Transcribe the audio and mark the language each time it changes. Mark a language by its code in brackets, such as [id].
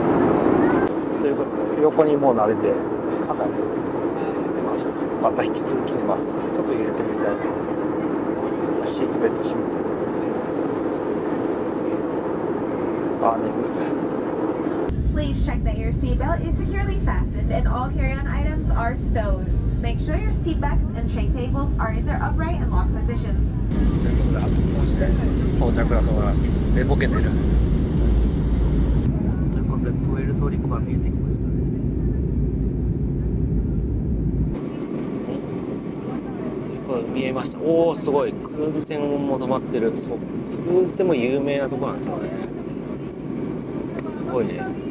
[ja] もう慣れてかなり揺れてます。また引き続き寝ます。ちょっと揺れてみたいな。シートベルト閉めて、あ、眠い。 [en] Please check that your seatbelt is securely fastened and all carry-on items are stowed. Make sure your seat backs and tray tables are in their upright and locked position. [ja] ということで、あと少しで到着だと思います。寝ぼけてる。ということで、プエルトリコは見えてきましたね。見えました。おー、すごい。クルーズ船も止まってる。そう、クルーズでも有名なとこなんですよね。すごいね。